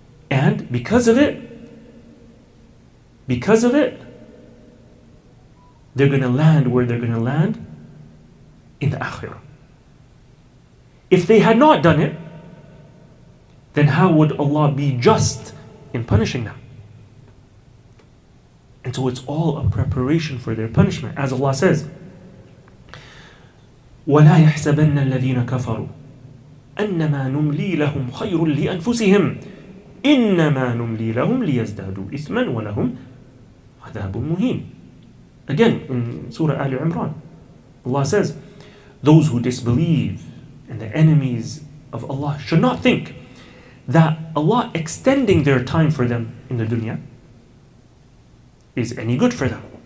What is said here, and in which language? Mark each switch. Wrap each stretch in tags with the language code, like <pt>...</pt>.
<en>And because of it, they're going to land where they're going to land in the Akhirah. If they had not done it, then how would Allah be just in punishing them? And so it's all a preparation for their punishment. As Allah says,</en> <ar>وَلَا يَحْسَبَنَّ الَّذِينَ كَفَرُوا أَنَّمَا نُمْلِي لَهُمْ خَيْرٌ لِأَنفُسِهِمْ إِنَّمَا نُمْلِي لَهُمْ لِيَزْدَادُوا إِثْمًا وَلَهُمْ عَذَابٌ مُهِينٌ.</ar> <en>Again, in Surah Ali Imran, Allah says, those who disbelieve and the enemies of Allah should not think that Allah extending their time for them in the dunya is any good for them.</en>